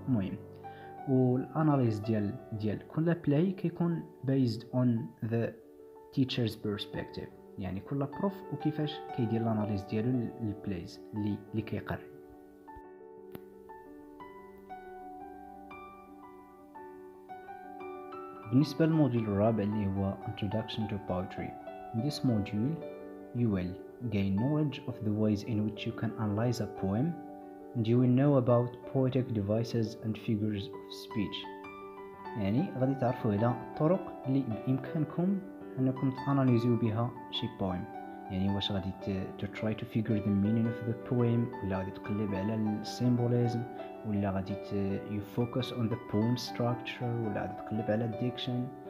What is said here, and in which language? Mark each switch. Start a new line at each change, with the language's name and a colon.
Arabic: المهم والاناليز ديال كل بلاي كيكون
English: based on the teacher's perspective,
Arabic: يعني كل بروف وكيفاش كيدير الاناليز ديالو للبلايز اللي كيقرا. بالنسبة للموديل الرابع اللي هو Introduction to Poetry.
English: In this module you will gain knowledge of the ways in which you can analyze a poem and you will know about poetic devices and figures of speech.
Arabic: يعني غادي تعرفوا على طرق اللي بإمكانكم أنكم تأناليزيو بها شي poem, يعني واش غادي
English: to try to figure the meaning of the poem,
Arabic: ولا غادي تقلب على السيمبوليزم, ولا غادي
English: you focus on the poem structure,
Arabic: ولا غادي تقلب على الديكشن.